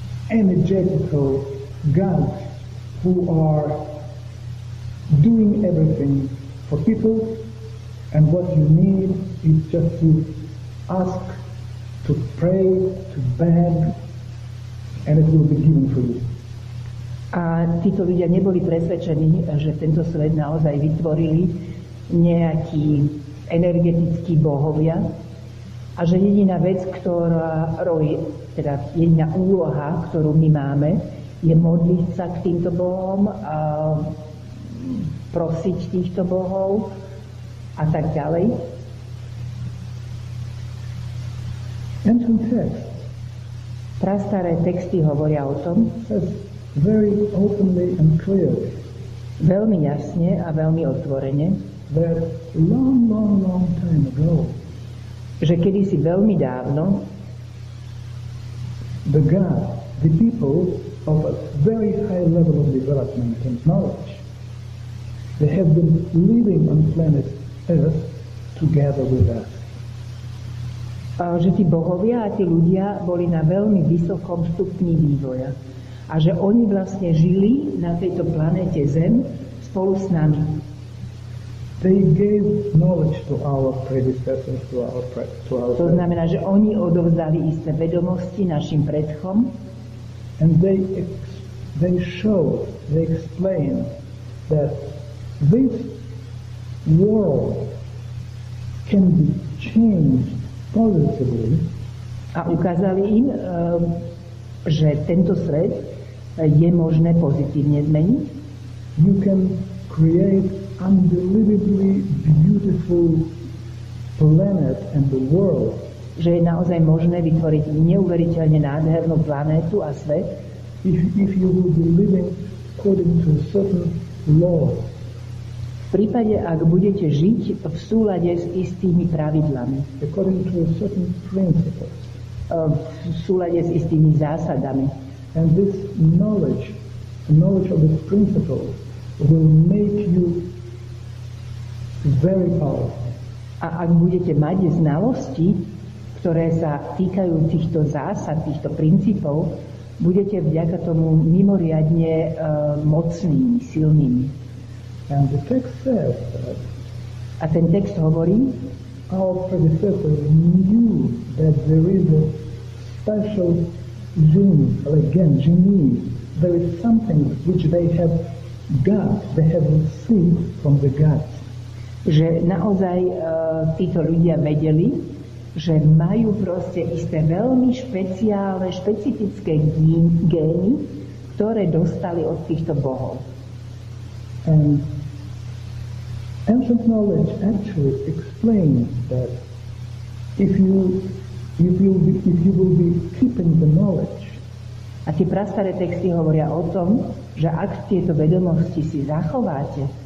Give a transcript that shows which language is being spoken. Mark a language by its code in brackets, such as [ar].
[en] energetical gods who are doing everything for people, and what you need is just to ask, to pray, to beg, and it will be given for you. [sk] A títo ľudia neboli presvedčení, že tento svet naozaj vytvorili nejakí energetickí bohovia, a že jediná vec, ktorá teda jediná úloha, ktorú my máme, je modliť sa k týmto bohom, a prosiť týchto bohov a tak ďalej. [en] Ancient texts. [sk] Prastaré texty hovoria o tom. [en] Very openly and clearly. [sk] Veľmi jasne a veľmi otvorene. [en] That long, long, long time ago. [sk] Že kedysi veľmi dávno [en] the God, the people of a very high level of development and knowledge, they have been living on planet Earth together with us. [sk] A že tí bohovia a tí ľudia boli na veľmi vysokom stupni vývoja. A že oni vlastne žili na tejto planete Zem spolu s nami. [en] They gave knowledge to our predecessors, to our predecessors. [sk] To znamená, že oni odovzdali isté vedomosti našim predchom. [en] And they showed, they explained that this world can be changed positively. [sk] A ukázali im, že tento svet je možné pozitívne zmeniť? [en] You can create unbelievably beautiful planet and the world. [sk] Že je naozaj možné vytvoriť neuveriteľne nádhernú planétu a svet? [en] If you will be living according to a certain law. [sk] V prípade, ak budete žiť v súlade s istými pravidlami. [en] According to a certain principle. [sk] V súlade s istými zásadami. [en] And this knowledge, the knowledge of this principle, will make you very powerful. [sk] A ak budete mať znalosti, ktoré sa týkajú týchto zásad, týchto princípov, budete vďaka tomu mimoriadne mocnými, silnými. [en] And the text says that [sk] a ten text hovorí, [en] our predecessor knew that there is a special genie, or again, genie. There is something which they have got, they have received from the gods. [sk] Že naozaj títo ľudia vedeli, že majú proste isté veľmi špeciálne, špecifické gény, ktoré dostali od týchto bohov. [en] And ancient knowledge actually explains that if you will be keeping the knowledge. [sk] A tie prastaré texty hovoria o tom, že ak tieto vedomosti si zachováte,